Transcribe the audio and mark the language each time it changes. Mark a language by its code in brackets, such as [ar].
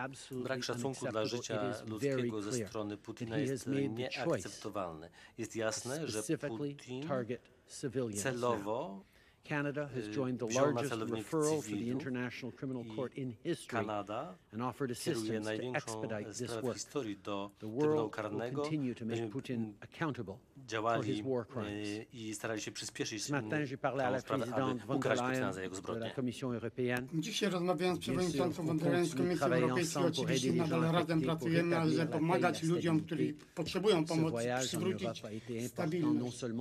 [pl] Brak szacunku dla życia ludzkiego ze strony Putina jest nieakceptowalny. Jest jasne, że Putin celowo [en] Canada has joined the largest referral to the International Criminal Court in history and offered assistance to expedite this work. The world will continue to make Putin accountable for his war crimes. [fr] Matin, j'ai parlé à la présidente von der Leyen de la Commission européenne. [pl] Dzisiaj rozmawiałem z przewodniczącą von der Leyen z Komisji Europejskiej. Oczywiście nadal razem pracujemy, aby pomagać ludziom, którzy potrzebują pomocy, przywrócić stabilność.